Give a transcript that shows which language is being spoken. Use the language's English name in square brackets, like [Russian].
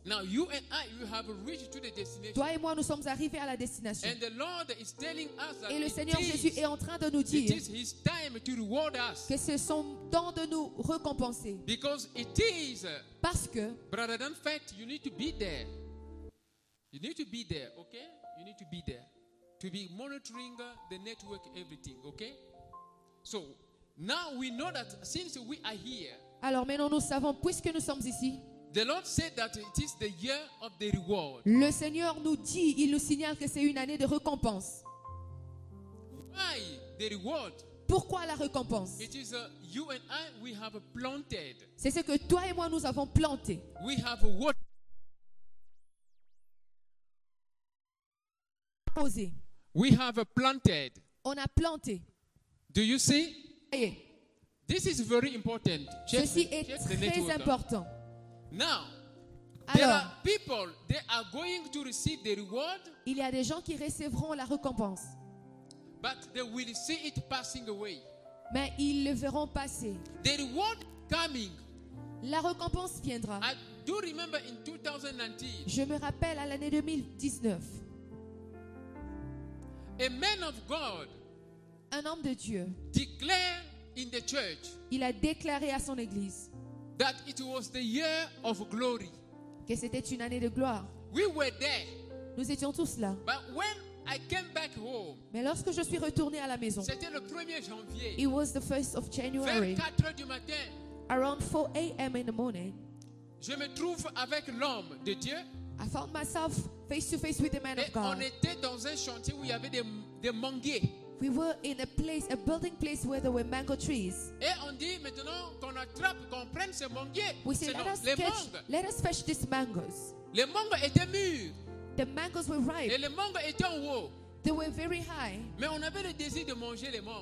[English] Now you and I, you have reached to the destination. [French] Toi et moi, nous sommes arrivés à la destination. [English] And the Lord is telling us that [French] et le Seigneur Jésus est en train de nous dire [English] it is his time to reward us. [French] Que c'est son temps de nous récompenser. [English] Because it is, [French] parce que, [English] brother, in fact, you need to be there. You need to be there, okay? You need to be there to be monitoring the network, everything, okay? So now we know that since we are here. [French] Alors maintenant, nous savons puisque nous sommes ici. [English] The Lord said that it is the year of the reward. [French] Le Seigneur nous dit, il nous signale que c'est une année de récompense. [English] Why the reward? [French] Pourquoi la récompense? [English] It is you and I we have planted. [French] C'est ce que toi et moi nous avons planté. [English] We have watered. [French] Posé. [English] We have planted. [French] On a planté. [English] Do you see? This is very important. [French] Ceci est très important. [English] Now, [French] alors, [English] there are people they are going to receive the reward. [French] Il y a des gens qui recevront la récompense. [English] But they will see it passing away. [French] Mais ils le verront passer. [English] The reward coming. [French] La récompense viendra. [English] I do remember in 2019. [French] Je me rappelle à l'année 2019. [English] A man of God. [French] Un homme de Dieu. [English] Declared in the church. [French] Il a déclaré à son église. [English] That it was the year of glory. [French] Que c'était une année de gloire. [English] We were there. [French] Nous étions tous là. [English] But when I came back home, [French] mais lorsque je suis retourné à la maison, c'était le 1er janvier. [English] It was the 1st of January. [French] Vers 4 du matin. [English] Around 4 a.m. in the morning. [French] Je me trouve avec l'homme de Dieu. [English] I found myself face to face with the man of God. [French] On était dans un chantier où il y avait des manguiers. [English] We were in a place, a building place where there were mango trees. [French] Et on dit maintenant qu'on attrape, qu'on prenne ces manguiers. [English] We say, let us fetch these mangoes. [French] Les mangos étaient mûrs. [English] The mangoes were ripe. [French] Et les mangos étaient en haut. [English] They were very high. [French] Mais on avait le désir de manger les mangos.